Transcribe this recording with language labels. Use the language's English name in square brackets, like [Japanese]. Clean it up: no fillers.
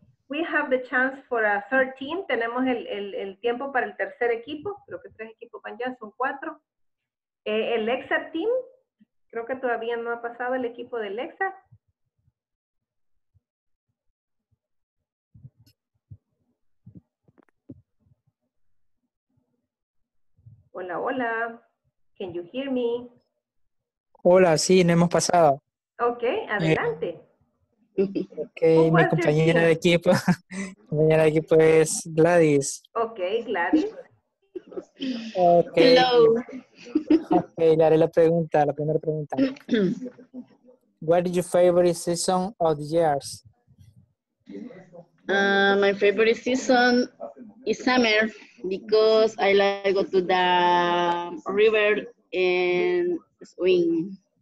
[English] We have the chance for a third team. [Spanish] Tenemos el tiempo para el tercer equipo. Creo que tres equipos van ya, son cuatro. El Lexa team. Creo que todavía no ha pasado el equipo de Lexa. Hola, hola. [English] Can you hear me? [Spanish] Hola, sí, no hemos pasado. Ok, adelante. Okay, mi compañera de equipo. Compañera de equipo es Gladys. [English] Okay, Gladys. Okay. Hello. [Spanish] Okay, le haré la pregunta, la primera pregunta. [English] What is your favorite season of the years? My favorite season is summer because I like to go to the river and swim.